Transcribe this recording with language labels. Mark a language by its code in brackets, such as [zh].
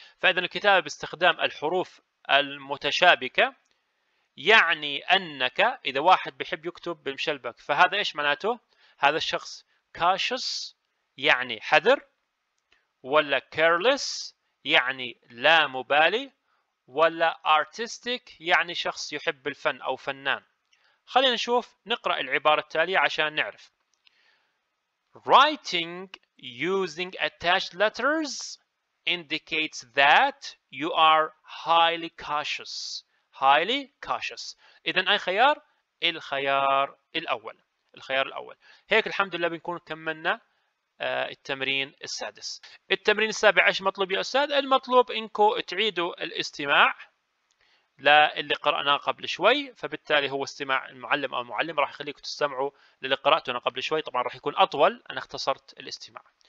[ar] فإذا الكتابة باستخدام الحروف المتشابكة يعني أنك إذا واحد بيحب يكتب بالمشلبك فهذا إيش معناته؟ هذا الشخص cautious يعني حذر، ولا careless يعني لا مبالي، ولا artistic يعني شخص يحب الفن أو فنان. خلينا نشوف نقرأ العبارة التالية عشان نعرف. [en] Writing using attached letters indicates that you are highly cautious. Highly cautious. [ar] إذن أي خيار؟ الخيار الأول. الخيار الأول. هيك الحمد لله بنكون كملنا التمرين السادس. التمرين السابع إيش مطلوب يا أستاذ؟ المطلوب إنكو تعيدوا الاستماع للي قرأناه قبل شوي، فبالتالي هو استماع المعلم أو المعلم راح يخليكم تستمعوا للي قرأته أنا قبل شوي، طبعا راح يكون أطول، أنا اختصرت الاستماع.